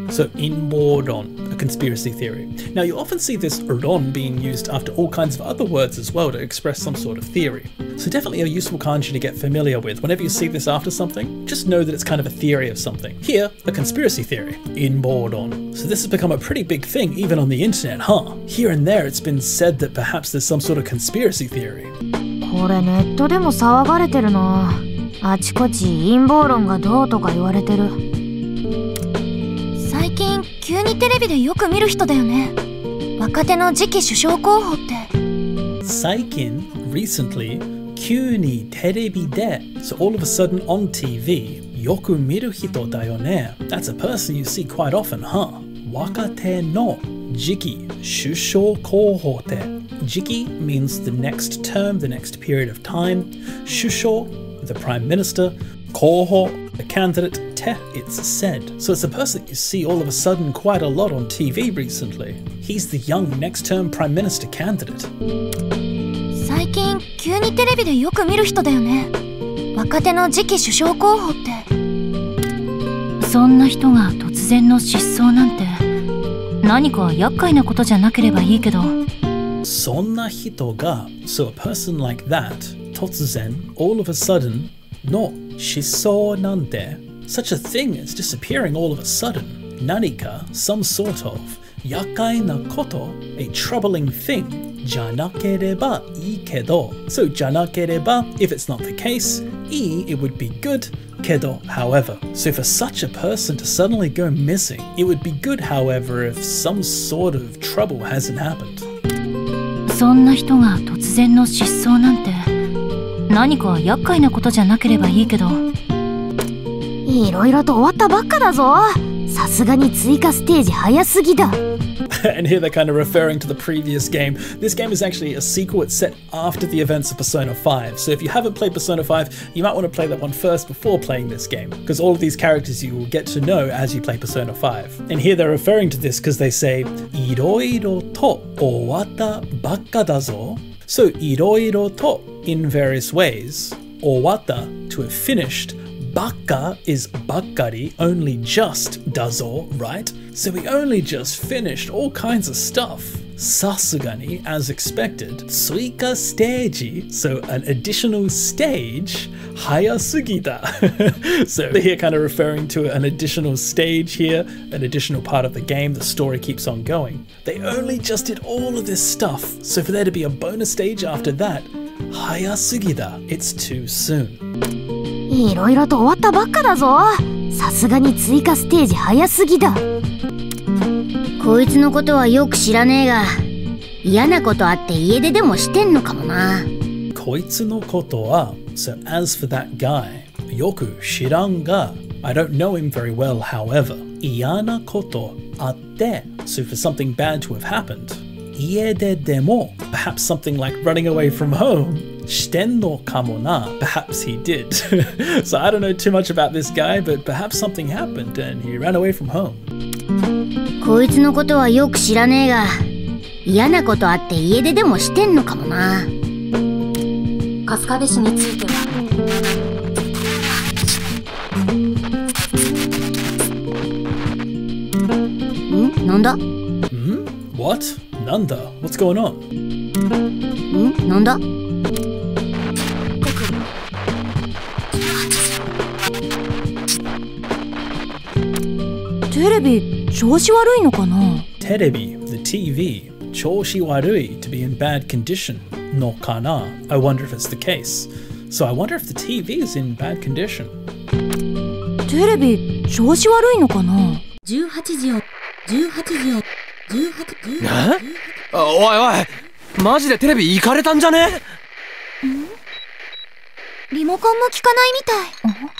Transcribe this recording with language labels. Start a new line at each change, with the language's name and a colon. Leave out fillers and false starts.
English: So, inbōrōn, a conspiracy theory. Now, you often see this ron being used after all kinds of other words as well to express some sort of theory. So, definitely a useful kanji to get familiar with. Whenever you see this after something, just know that it's kind of a theory of something. Here, a conspiracy theory, inbōrōn. So, this has become a pretty big thing, even on the internet, huh? Here and there, it's been said that perhaps there's some sort of conspiracy theory.
Japanese: これネットでも騒がれてるな。あちこち陰謀論がどうとか言われてる。最近急にテレビでよく見る人だよね、若手の次期首相候補って。最近 recently 急にテレビで、
English: so all of a sudden on TV、
Japanese: よく見る人だよね。
English: That's a person you see quite often, huh?
Japanese: 若手の次期首相候補って。
English: Jiki means the next term, the next period of time. 首相The prime minister, koho, the candidate, te, it's said. So it's a person that you see all of a sudden quite a lot on TV recently. He's the young next term prime minister candidate.
Japanese: 最近急にテレビでよく見る人だよね、若手の次期首相候補って。そんな人が突然の失踪なんて、何か厄介なことじゃなければいいけど。そんな人が、
English: so a person like that, 突然, all of a sudden,
Japanese: の失踪なんて
English: Such a thing is disappearing all of a sudden. 何か, some sort of, 厄介なこと, a troubling thing,
Japanese: じゃなければいいけど
English: So, じゃなければ, if it's not the case, いい, it would be good,けど however so for such a person to suddenly go missing it would be good however if some sort of trouble hasn't happened
Japanese: そんな人が突然の失踪なんて何か厄介なことじゃなければいいけどいろいろと終わったばっかだぞさすがに追加ステージ早すぎだ
English: And here they're kind of referring to the previous game. This game is actually a sequel. It's set after the events of Persona 5. So if you haven't played Persona 5, you might want to play that one first before playing this game. Because all of these characters you will get to know as you play Persona 5. And here they're referring to this because they say,
Japanese: いろいろと終わったばっかだぞ。
English: So, いろいろと in various ways. 終わった to have finished. Bakka is bakkari, only just dazo, right? So we only just finished all kinds of stuff. Sasugani, as expected. Suika stage, so an additional stage. Hayasugida. So here kind of referring to an additional stage here, an additional part of the game, the story keeps on going. They only just did all of this stuff. So for there to be a bonus stage after that, hayasugida, it's too soon.
Japanese: いろいろと終わったばっかだぞさすがに追加ステージ早すぎだこいつのことはよく知らねえが嫌なことあって家出でもしてんのかもなこいつのことは
English: So as for that guy
Japanese: よく知らんが
English: I don't know him very well however
Japanese: 嫌なことあって
English: So for something bad to have happened
Japanese: 家出でも
English: Perhaps something like running away from homePerhaps he did. So I don't know too much about this guy, but perhaps something happened and he ran away from home.
Japanese: こいつのことはよく知らねえが、嫌なことあって家出でもしてんのかもな。カスカベ氏については。ん？なんだ？
English: ん？What?
Japanese: なんだ？
English: What's going on?
Japanese: ん？なんだ？テレビ、調子悪いのかな?
English: テレビ、the TV、調子悪い to be in bad condition のかな? I wonder if it's the case. So I wonder if the TV is in bad condition.
Japanese: テレビ、調子悪いのかな? 18時よ。え? おいおい、マジでテレビ行かれたんじゃね? ん? リモコンも効かないみたい。